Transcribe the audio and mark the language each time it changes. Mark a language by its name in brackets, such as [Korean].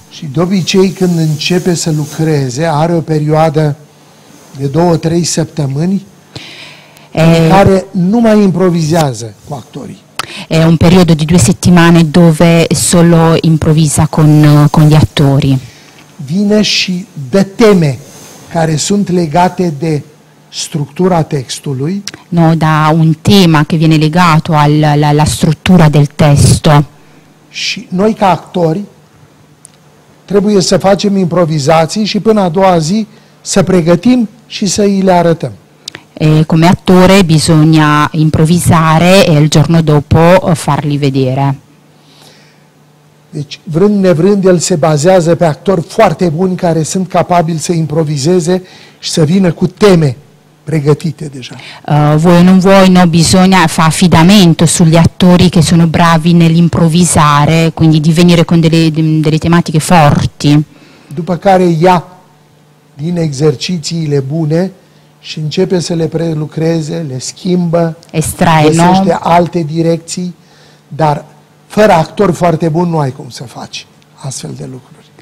[Romanian] Și de obicei când începe să lucreze, are o perioadă de 2-3 săptămâni în care nu mai improvizează cu actorii. [Italian] è un periodo di 2 settimane dove solo improvvisa con gli attori. [Romanian] Vine și de teme care sunt legate de structura textului. [Italian] No, da un tema che viene legato alla la struttura del testo. [Romanian] Și noi ca actori trebuie să facem improvizații și până a doua zi să pregătim și să îi le arătăm. [Italian] E come attore bisogna improvvisare e il giorno dopo farli vedere. [Romanian] Deci, vrând nevrând, el se bazează pe actori foarte buni care sunt capabili să improvizeze și să vină cu teme pregătite deja. [Italian] Voi non voi, no, bisogna fa affidamento sugli attori che sono bravi nell'improvvisare, quindi di venire con delle tematiche forti. [Romanian] După care ia din exercițiile bune și începe să le prelucreze, le schimbă, [Italian] estrae, no? [Romanian] Găsește alte direcții, dar fără actor foarte bun nu ai cum să faci astfel de lucruri.